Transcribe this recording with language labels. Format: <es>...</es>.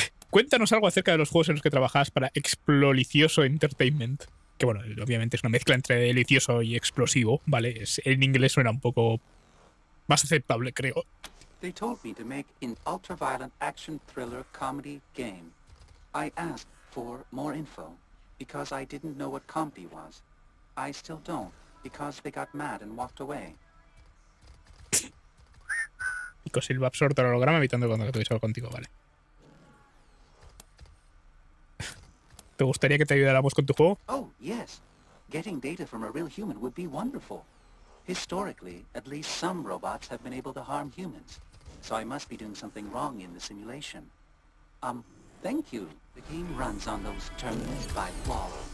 <es>Cuéntanos algo acerca de los juegos en los que trabajabas para Explolicioso Entertainment. Que bueno, obviamente es una mezcla entre delicioso y explosivo, ¿vale? En inglés suena un poco más aceptable, creo.</es> <en>They told me to make an ultra-violent action thriller comedy game. I asked for more info because I didn't know what Compi was. I still don't because they got mad and walked away.</en> <es>Pico Silva absorto el holograma evitando cuando lo tuviese contigo, ¿vale? ¿Te gustaría que te ayudáramos con tu juego?</es> <en>Oh, yes. Getting data from a real human would be wonderful. Historically, at least some robots have been able to harm humans. So I must be doing something wrong in the simulation. Thank you. The game runs on those terminals by wall.</en>